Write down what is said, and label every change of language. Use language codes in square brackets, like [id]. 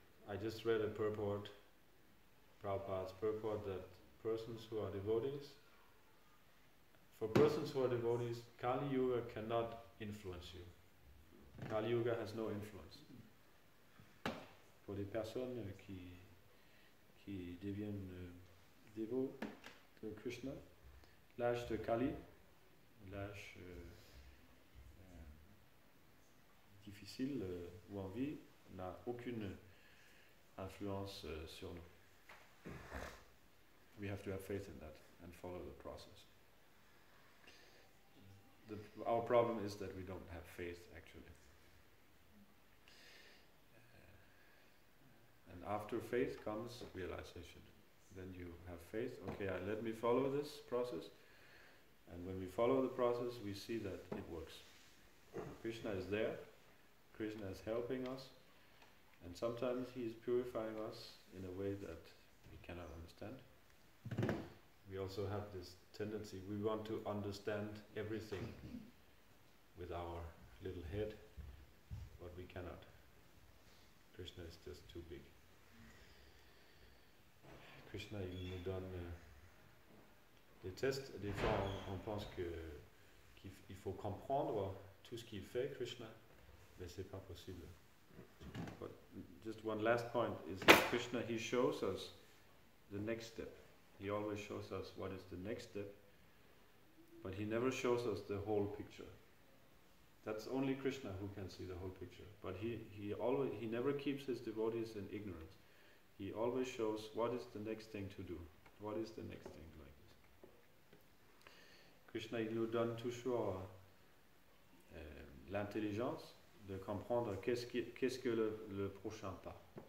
[en] I just read a purport, Prabhupada's purport, that persons who are devotees, for persons who are devotees, Kali Yuga cannot influence you. Kali Yuga has no influence. [fr] Pour les personnes qui deviennent dévots de Krishna, l'âge de Kali, l'âge difficile ou en vie, n'a aucune influence sur nous. [en] We have to have faith in that and follow the process. Our problem is that we don't have faith actually. And after faith comes realization. Then you have faith, okay, let me follow this process. And when we follow the process, we see that it works. Krishna is there, Krishna is helping us, and sometimes he is purifying us in a way that we cannot understand. We also have this tendency, we want to understand everything with our little head, but we cannot. Krishna is just too big. [fr] Krishna, il nous donne des tests, des fois on pense qu'il faut comprendre tout ce qu'il fait, Krishna, mais ce n'est pas possible. [en] But just one last point is that Krishna, he shows us the next step. He always shows us what is the next step, but he never shows us the whole picture. That's only Krishna who can see the whole picture, but he never keeps his devotees in ignorance. He always shows what is the next thing to do, what is the next thing. [fr] Krishna, il nous donne toujours l'intelligence de comprendre qu'est-ce que le prochain pas.